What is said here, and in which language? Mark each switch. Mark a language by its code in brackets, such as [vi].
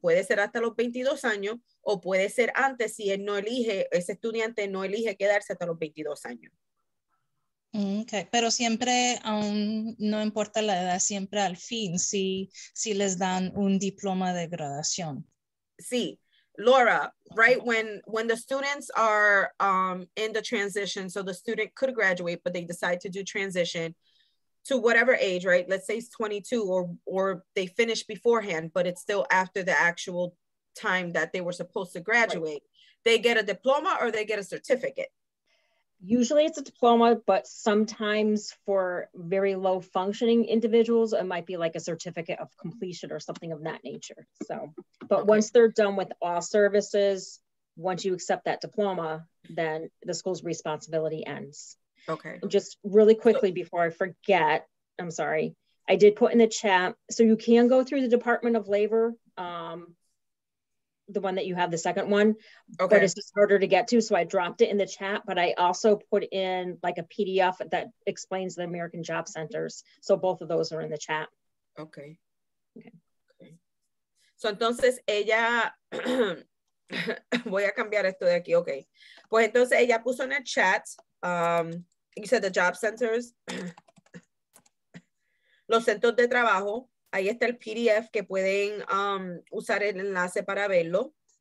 [es] Puede ser hasta los 22 años o puede ser antes si él no elige, ese estudiante no elige quedarse hasta los 22 años. Okay, pero siempre, no importa la edad, siempre al fin, si les dan un diploma de graduación. [en] Sí, Laura, right when the students are in the transition, so the student could graduate, but they decide to do transition to whatever age, right? Let's say it's 22 or they finish beforehand, but it's still after the actual time that they were supposed to graduate. Right. They get a diploma or they get a certificate? Usually it's a diploma, but sometimes for very low functioning individuals, it might be like a certificate of completion or something of that nature. So, but okay. Once they're done with all services, once you accept that diploma, then the school's responsibility ends. Okay. And just really quickly before I forget, I'm sorry, I did put in the chat, so you can go through the Department of Labor, the one that you have, the second one, okay. But it's just harder to get to. So I dropped it in the chat, but I also put in like a PDF that explains the American Job Centers. So both of those are in the chat. Okay. [es] Entonces ella, voy a cambiar esto de aquí. Okay. Pues entonces ella puso en el chat, [en] you said the job centers, [es] los centros de trabajo, ahí está el PDF que pueden usar el enlace para verlo.